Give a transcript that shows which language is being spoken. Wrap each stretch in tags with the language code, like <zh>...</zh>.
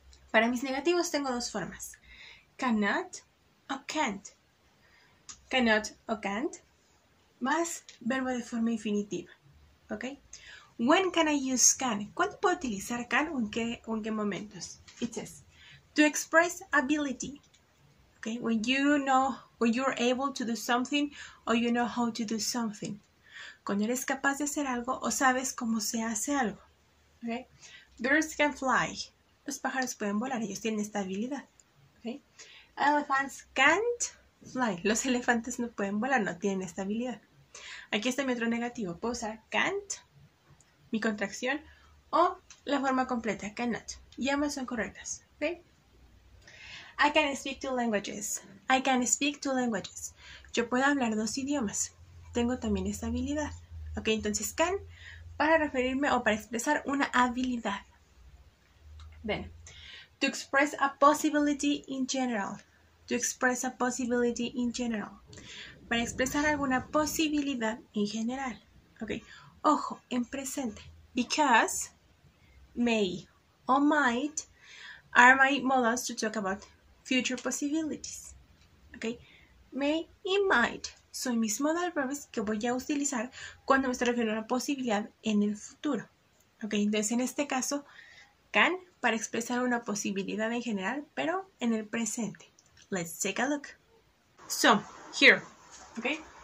<es>Para mis negativos tengo dos formas, cannot o can't, cannot o can't, más verbo de forma infinitiva, ¿ok?</es> <en>When can I use can?</en> <es>¿Cuándo puedo utilizar can o en qué momentos?</es> <en>It says, to express ability. Okay, when you know, when you're able to do something or you know how to do something.</en> <es>Cuando eres capaz de hacer algo o sabes cómo se hace algo.</es> <en>Okay, birds can fly.</en> <es>Los pájaros pueden volar, ellos tienen esta habilidad.</es> <en>Okay, elephants can't fly.</en> <es>Los elefantes no pueden volar, no tienen esta habilidad. Aquí está mi otro negativo. Puedo usar can't. Mi contracción, o la forma completa, cannot. Y ambas son correctas, ¿ok?</es> <en>I can speak two languages. I can speak two languages.</en> <es>Yo puedo hablar dos idiomas. Tengo también esta habilidad. Ok, entonces can para referirme o para expresar una habilidad.</es> <en>Then, to express a possibility in general. To express a possibility in general.</en> <es>Para expresar alguna posibilidad en general, ¿ok? Ojo, en presente,</es> <en>because, may, or might, are my modals to talk about future possibilities, ¿ok?</en> <es>May y might son mis modal verbs que voy a utilizar cuando me estoy refiriendo a una posibilidad en el futuro, ¿ok? Entonces, en este caso, can para expresar una posibilidad en general, pero en el presente.</es> <en>Let's take a look. So, here, ¿ok?</en>